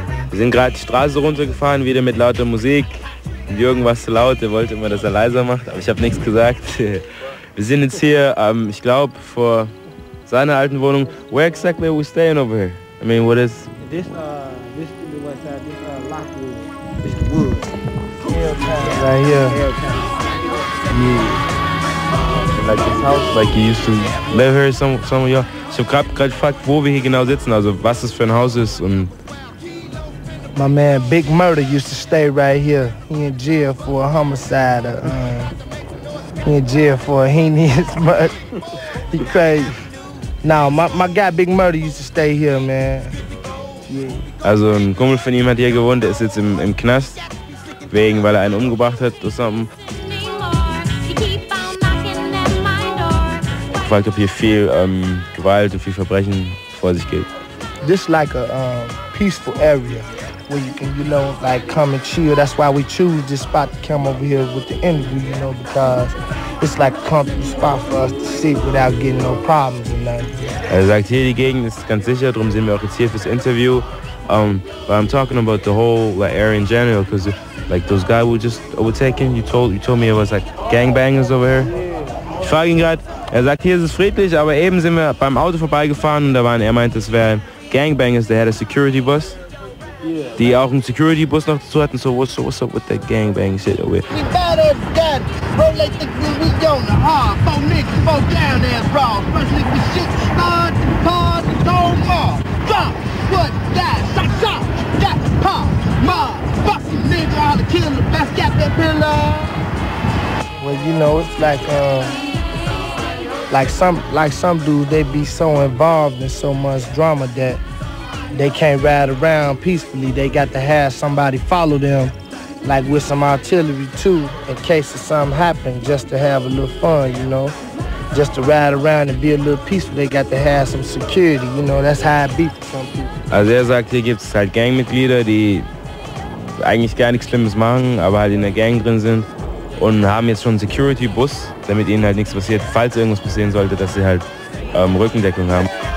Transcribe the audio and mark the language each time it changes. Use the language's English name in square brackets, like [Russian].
[German] Wir sind gerade die Straße runtergefahren, wieder mit lauter Musik. Jürgen war zu laut, der wollte immer, dass er leiser macht, aber ich habe nichts gesagt. Wir sind jetzt hier, ich glaube, vor seiner alten Wohnung. [English] Where exactly are we staying over here? I mean, what is... This is the west side, this is Lockwood. This is the woods. Hilltown. Right here. Yeah. Like this house, like you used to live here, some of y'all. [German] Ich habe gerade gefragt, wo wir hier genau sitzen, also was es für ein Haus ist und... [English] My man Big Murder used to stay right here. He in jail for a homicide. He in jail for a heinous murder. He crazy. Nah, my guy Big Murder used to stay here, man. Yeah. [German] Also ein Kumpel von ihm hat hier gewohnt. Er ist jetzt im Knast, wegen weil er einen umgebracht hat oder [English] something. [German] Ich frage, ob hier viel Gewalt und viel Verbrechen vor sich geht. [English] This like a peaceful area. Where you can, you know, like come and chill. That's why we choose this spot to come over here with the interview, you know, because it's like a comfortable spot for us to sit without getting no problems or nothing. [German] Er sagt, hier die Gegend ist ganz sicher, darum sind wir auch jetzt hier fürs Interview. [English] But I'm talking about the whole like, area in general, because like those guys were just overtaking. You told me it was like gangbangers over here. [German] Ich frage ihn gerade, er sagt, hier ist es friedlich, aber eben sind wir beim Auto vorbeigefahren und da waren, er meint, es wären gangbangers, [English] they had a security bus. [German] Die auch einen Security-Bus noch dazu hatten, [English] so what's up with that gangbang shit over here? We bad as God, bro, like the green, we on the hard, four niggas, four down ass raw, first nigga shit, hard, hard, no more, drop, what, die, shot, shot, got the pop, mob, fuck you nigga, all the killer, best cap that pillar. Well, you know, it's like some dudes, they be so involved in so much drama that they can't ride around peacefully. They got to have somebody follow them, like with some artillery too, in case of something happen, just to have a little fun, you know? Just to ride around and be a little peaceful, they got to have some security, you know? That's how it be for some people. [German] Also er sagt, hier gibt es halt Gangmitglieder, die eigentlich gar nichts Schlimmes machen, aber halt in der Gang drin sind und haben jetzt schon einen Security-Bus, damit ihnen halt nichts passiert, falls irgendwas passieren sollte, dass sie halt Rückendeckung haben.